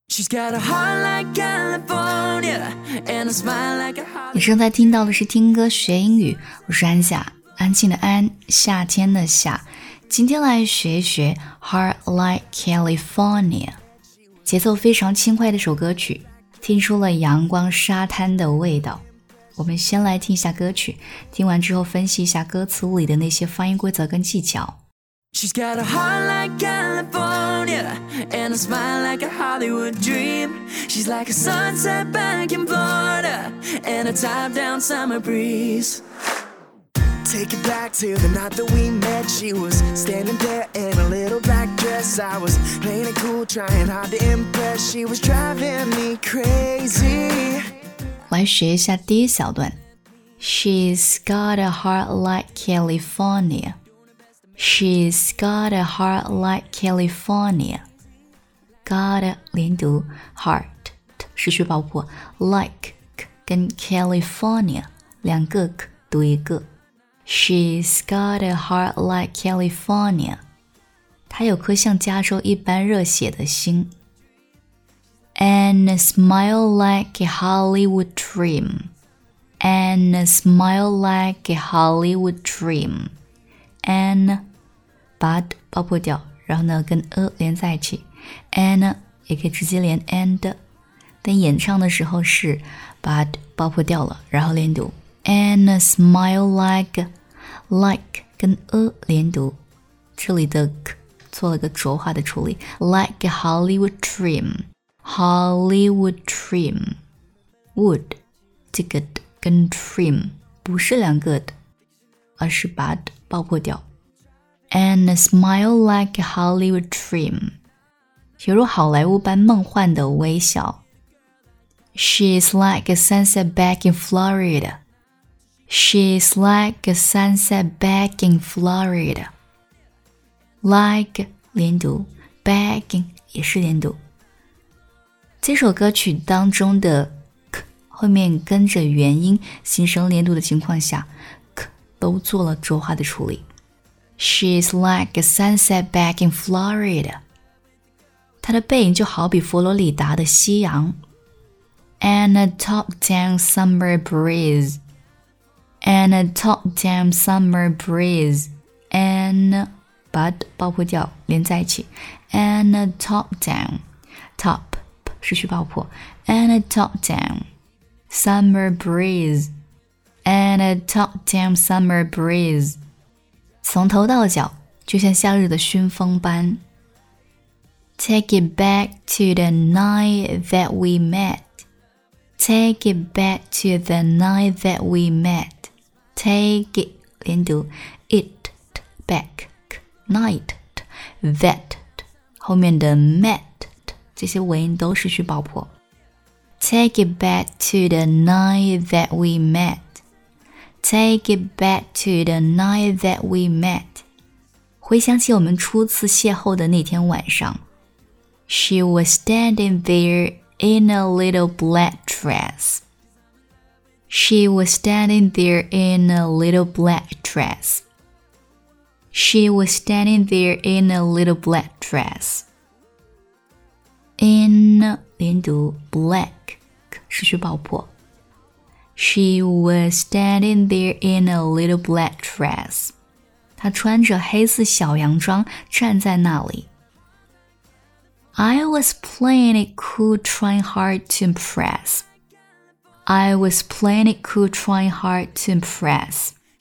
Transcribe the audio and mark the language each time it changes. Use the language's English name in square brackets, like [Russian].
[English] She's got a heart like California and a smile like a Hollywood. [Chinese] 你正在听到的是听歌学英语，我是安夏，安静的安，夏天的夏。今天来学一学 Heart Like California， 节奏非常轻快的首歌曲，听出了阳光沙滩的味道。我们先来听一下歌曲，听完之后分析一下歌词里的那些发音规则跟技巧。 [English] She's got a heart like California and a smile like a Hollywood dream. She's like a sunset back in Florida and a top down summer breeze. Take it back to the night that we met. She was standing there in a little black dress. I was playing it cool, trying hard to impress. She was driving me crazy. [Chinese] 来学一下第一小段。 [English] She's got a heart like California. She's got a heart like California. [Chinese] Got a 连读 heart 失去爆破 like 跟 California 两个 k 读一个。 [English] She's got a heart like California. [Chinese] 她有颗像加州一般热血的心。 [English] And a smile like a Hollywood dream. And a smile like a Hollywood dream. [Chinese] And but 爆破掉，然后呢跟 a 连在一起， and 也可以直接连 and， 但演唱的时候是 but 爆破掉了，然后连读 [English] and a smile like [Chinese] 跟 a 连读，这里的 k 做了个浊化的处理， [English] like a Hollywood dream， [Chinese] Hollywood dream， would 这个 d 跟 dream 不是两个 d， 而是 but 爆破掉。 [English] And a smile like a Hollywood dream. [Chinese] 犹如好莱坞般梦幻的微笑。 [English] She's like a sunset back in Florida. She's like a sunset back in Florida. [Chinese] Like, 连读 back in, 也是连读。这首歌曲当中的 k, 后面跟着元音形成连读的情况下 k, 都做了浊化的处理。 [English] She's like a sunset back in Florida. [Chinese] 她的背影就好比佛罗里达的夕阳。 [English] And a top down summer breeze. And a top down summer breeze. [Chinese] And but 爆破掉连在一起。 [English] And a top down. Top [Chinese] 失去爆破。 [English] And a top down. Summer breeze. And a top down summer breeze. [Chinese] 从头到脚就像夏日的熏风般。 [English] Take it back to the night that we met. Take it back to the night that we met. Take it [Chinese] 连读 it back night that 后面的 met 这些尾音都失去爆破。 [English] Take it back to the night that we met. Take it back to the night that we met. [Chinese] 回想起我们初次邂逅的那天晚上。 [English] She was standing there in a little black dress. She was standing there in a little black dress. She was standing there in a little black dress. In, [Chinese] 连读 black, 失去爆破。 [English] She was standing there in a little black dress. [Chinese] 她穿着黑色小洋装站在那里。 [English] I was playing it cool, trying hard to impress. I was playing it cool, trying hard to impress.